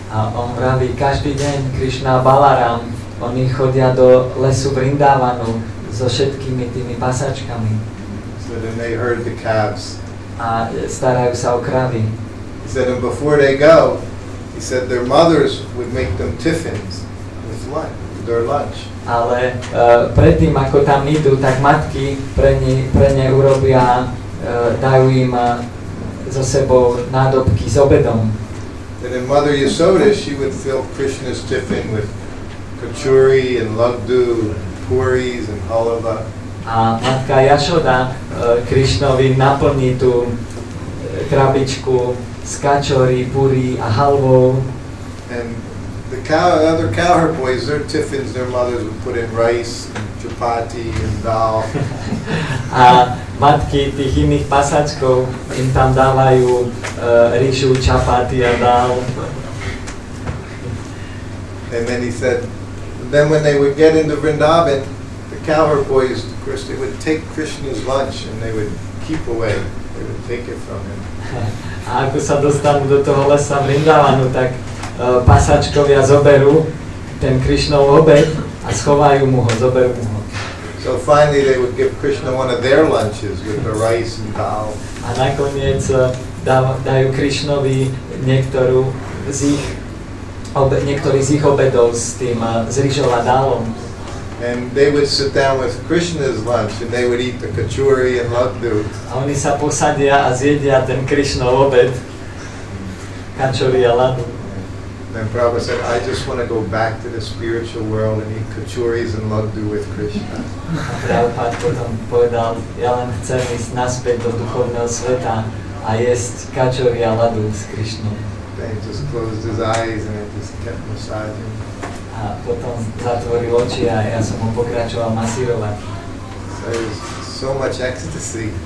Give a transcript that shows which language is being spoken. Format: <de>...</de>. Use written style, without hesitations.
<sk>A on vraví, každý deň Krishna a Balaram, oni chodia do lesu Vrindavanu so všetkými tými pasačkami.</sk> <en>So then they herd the calves.</en> <sk>A starajú sa o kravy.</sk> <en>He said, and before they go, he said their mothers would make them tiffins with lunch, their lunch.</en> <sk>Ale predtým ako tam idú, tak matky pre ne urobia, dajú im so sebou nádobky s obedom.</sk> <en>And then Mother Yasoda, she would fill Krishna's tiffin with kachuri and laddu, puris and halva.</en> <sk>A matka Yasoda Krishnovi naplní tú krabičku s kačori, puri a halvou.</sk> <en>And the other cowherd boys, their tiffins, their mothers would put in rice and chapati and dal.</en> <sk>A matky tých iných pasačkov im tam dávajú rýžu, čapati a dal.</sk> <en>And then he said, then when they would get into Vrindavan, the cowherd boys, of course, they would take Krishna's lunch and they would keep away. They would take it from him.</en> <sk>A ako sa dostanú do toho lesa Vrindavanu, tak pasačkovia zoberú ten Krishnov obed a schovajú mu ho, zoberú mu ho.</sk> <en>So finally they would give Krishna one of their lunches with the rice and dal.</en> <sk>A nakoniec dajú Krishnovi niektorý z ich obedov s tým z rýžou a dalom.</sk> <en>And they would sit down with Krishna's lunch and they would eat the kachuri and laddu.</en> <sk>A oni sa posadia a zjedia ten Krishnov obed. Kachuri a laddu.</sk> <en>Then Prabhupada said, I just want to go back to the spiritual world and eat kachuris and laddu with Krishna.</en> <sk>A Prabhupada potom povedal, ja len chcem ísť naspäť do duchovného sveta a jesť kachuri a laddu s Krishnou.</sk> <en>Then he just closed his eyes and he just kept massaging.</en> <sk>A potom zatvoril oči a ja som ho pokračoval masírovať.</sk> <en>So it was so much ecstasy.</en>